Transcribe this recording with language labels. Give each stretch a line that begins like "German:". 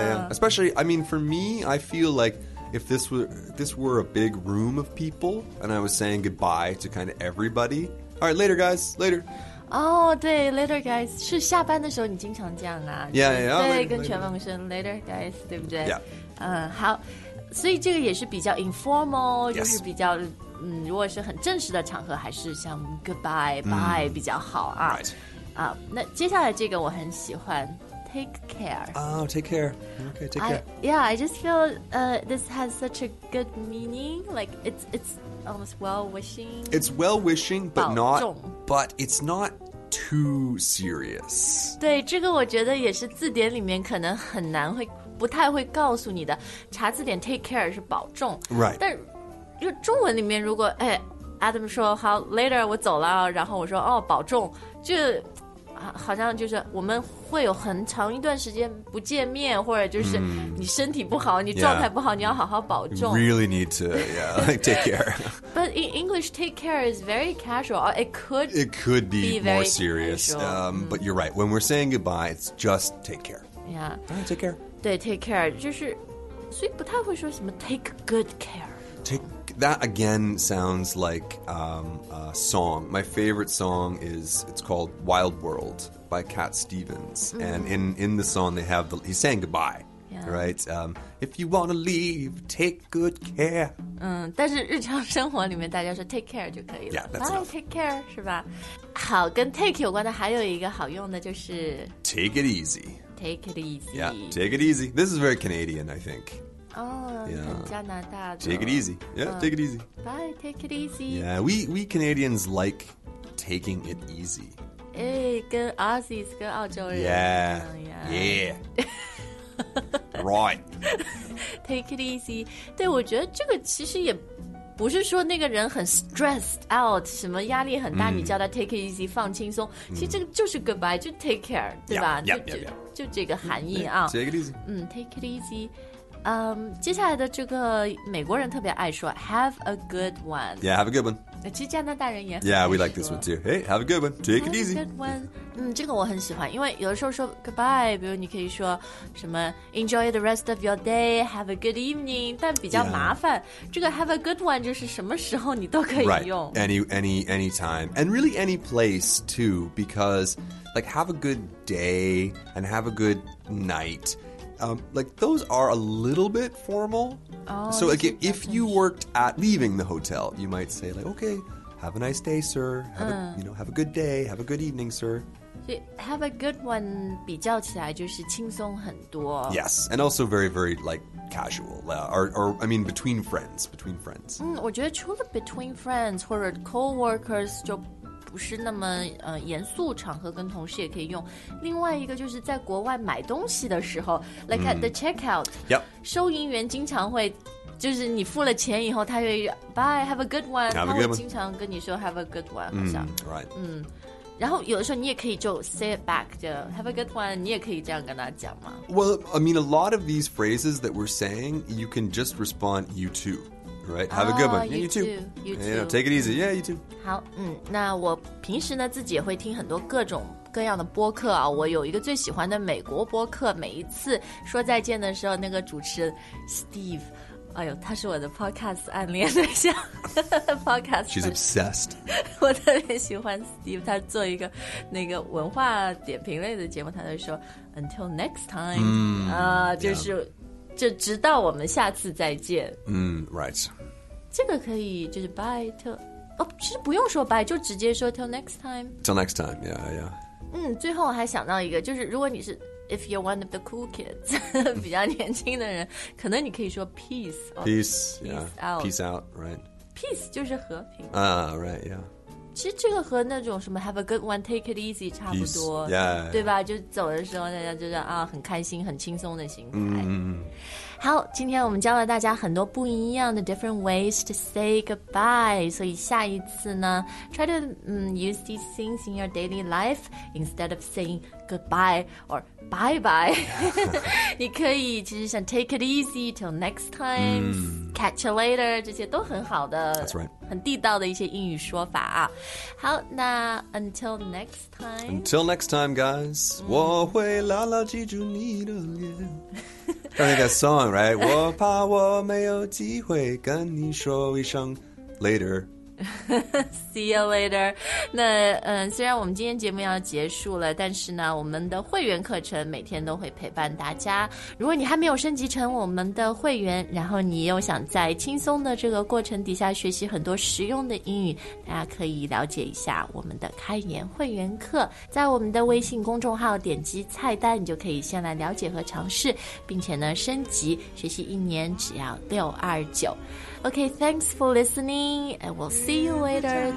English: Especially, I mean, for me, I feel like if this were a big room of people and I was saying goodbye to kind of everybody. All right, later, guys. Later.
Chinese: Oh, 对
English: later guys,
Chinese: 是下班的时候你经常这样啊。
English: Yeah,
Chinese: 对 later, 跟全方生
English: later guys,
Chinese: 对不对
English: Yeah.
Chinese: 好所以这个也是比较 informal,、
English: yes.
Chinese: 就是比较如果是很正式的场合还是像
English: goodbye, bye、
Chinese: mm. 比较好啊。
English: Right.
Chinese: 那接下来这个我很喜欢
English: take care. Oh, take care. Okay, take care. Yeah, I just feel this has such a good meaning, like it's almost well-wishing. It's well-wishing, but it's not too serious.
Chinese: 对，这个我觉得也是字典里面可能很难会不太会告诉你的。查字典
English: take care
Chinese: 是保重。
English: Right.
Chinese: 但就中文里面如果哎 Adam 说好 later 我走了然后我说哦保重就好像就是我们会有很长一段时间不见面或者就是你身体不好你状态不好、
English: yeah.
Chinese: 你要好好保重
English: really need to yeah, like, take care but in English take care is very casual it could be more serious but you're right when we're saying goodbye it's just take care yeah right, take care
Chinese: 对
English: take care
Chinese: 就是所以不太会说什么
English: take good care take, that again sounds likea song. My favorite song is, it's called Wild World by Cat Stevens.、Mm-hmm. And in the song, they have he's saying goodbye,、 yeah. right? If you want to leave, take good care.
Chinese: 但是日常生活里面大家说 take care 就可以了。
English: Yeah, that's enough. Bye, take care,
Chinese: 是吧？好，跟 take 有关的还有一个好用的就是
English: take it easy. Take it easy. Yeah, take it easy. This is very Canadian, I think.
Chinese: 加拿大的
English: take it easy. Yeah, take it easy. Bye, take it easy. Yeah, we Canadians like taking it easy.
Chinese: 跟 Aussies, 跟澳洲人
English: Yeah, yeah. right. Take it easy.
Chinese: 对，我觉得这个其实也不是说那个人很
English: stressed out,
Chinese: 什么压力很大、你叫他
English: take it easy,
Chinese: 放轻松。其实这个就是 goodbye, 就
English: take care,
Chinese: 对吧
English: yeah, yeah, yeah.
Chinese: 就这个含义啊。
English: Take it easy. Take it easy.
Chinese: 接下来的这个美国人特别爱说
English: Have a good one Yeah, have a good one
Chinese: 其实加拿大人也很
English: Yeah, we like this one too Hey, have a good one Take it easy Have a good one
Chinese: 这个我很喜欢因为有的时候说 goodbye 比如你可以说什么
English: Enjoy the rest of your day Have a good evening
Chinese: 但比较麻烦、
English: yeah.
Chinese: 这个
English: have a good one
Chinese: 就是什么时候你都可以用
English: Right, anytime And really any place too Because like have a good day And have a good nightlike those are a little bit formal. Oh, so again, if you worked at leaving the hotel, you might say like, okay, have a nice day, sir. Have a good day. Have a good evening, sir. Have a good one
Chinese: 比较起来就是轻松很多。
English: Yes, and also very, very like casual. Or I mean, between friends.
Chinese: 我觉得除了
English: between friends
Chinese: 或者 coworkers 就不是那么严肃场合跟同事也可以用另外一个就是在国外买东西的时候
English: like at the checkout、 yep.
Chinese: 收银员经常会就是你付了钱以后他会
English: bye have a good one
Chinese: 然后经常跟你说
English: have a good one
Chinese: 好像、
English: right.
Chinese: 然后有的时候你也可以就
English: say it back
Chinese: 就
English: have a good one
Chinese: 你也可以这样跟他讲吗
English: well I mean a lot of these phrases that we're saying you can just respond you tooRight, have a good one. Yeah, you too. Yeah, take it easy. Yeah, you too.
Chinese: 好，那我平时呢自己也会听很多各种各样的播客啊。我有一个最喜欢的美国播客，每一次说再见的时候，那个主持人 Steve， 哎呦，他是我的 podcast 暗恋对象。
English: podcast. She's obsessed.
Chinese: 我特别喜欢 Steve， 他做一个那个文化点评类的节目，他就说
English: Until next time.
Chinese: 就是。
English: Yeah.
Chinese: 就直到我们下次再见。
English: Right.
Chinese: 这个可以就是
English: bye till
Chinese: 哦，其实不用说 bye， 就直接说
English: till next time。 Till next time， yeah， yeah。
Chinese: 最后我还想到一个，就是如果你是
English: if you're one of the cool kids，
Chinese: 比较年轻的人，可能你可以说 peace，
English: peace， peace out， peace out， right。
Chinese: Peace 就是和平。
English: Right， yeah。
Chinese: 其实这个和那种什么
English: have a good one, take it easy
Chinese: 差不多
English: Peace, yeah,
Chinese: 对吧就走的时候大家就是啊很开心很轻松的心态、
English: mm-hmm.
Chinese: 好今天我们教了大家很多不一样的
English: different ways to say goodbye
Chinese: 所以下一次呢
English: try to use these things in your daily life instead of saying goodbye or bye bye.
Chinese: 你可以其实像
English: take it easy till next time,、mm. catch you later,
Chinese: 这些都很好的
English: That's right.
Chinese: 很地道的一些英语说法啊。好，那
English: until next time. Until next time, guys.、Mm.
Chinese: 我会牢牢记住你的脸。
English: I think that song, right?
Chinese: 我怕我没有机会跟你说一声 later.
English: See you later.
Chinese: 那、虽然我们今天节目要结束了，但是呢，我们的会员课程每天都会陪伴大家。如果你还没有升级成我们的会员，然后你又想在轻松的这个过程底下学习很多实用的英语，大家可以了解一下我们的开言会员课。在我们的微信公众号点击菜单，你就可以先来了解和尝试，并且呢升级学习一年只要629。
English: Okay, thanks for listening, and we'll see you later.